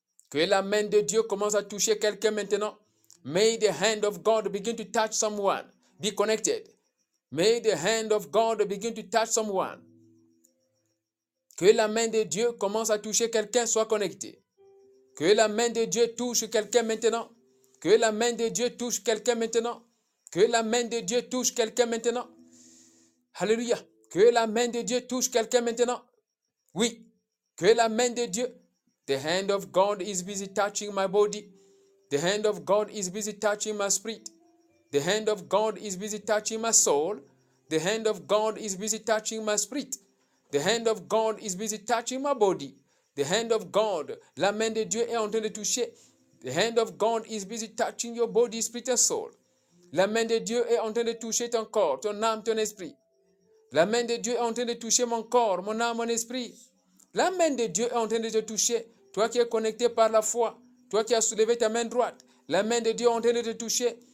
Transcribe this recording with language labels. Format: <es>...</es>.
<fr>Que la main de Dieu commence à toucher quelqu'un maintenant.</fr> <en>May the hand of God begin to touch someone. Be connected. May the hand of God begin to touch someone.</en> <fr>Que la main de Dieu commence à toucher quelqu'un, soit connecté. Que la main de Dieu touche quelqu'un maintenant. Que la main de Dieu touche quelqu'un maintenant. Que la main de Dieu touche quelqu'un maintenant. Alléluia. Que la main de Dieu touche quelqu'un maintenant. Oui. Que la main de Dieu.</fr> <en>The hand of God is busy touching my body. The hand of God is busy touching my spirit. The hand of God is busy touching my soul. The hand of God is busy touching my spirit. The hand of God is busy touching my body. The hand of God,</en> <fr>la main de Dieu est en train de toucher.</fr> <en>The hand of God is busy touching your body, spirit and soul.</en> <fr>La main de Dieu est en train de toucher ton corps, ton âme, ton esprit. La main de Dieu est en train de toucher mon corps, mon âme, mon esprit. La main de Dieu est en train de te toucher. Toi qui es connecté par la foi. Toi qui as soulevé ta main droite. La main de Dieu est en train de te toucher.</fr>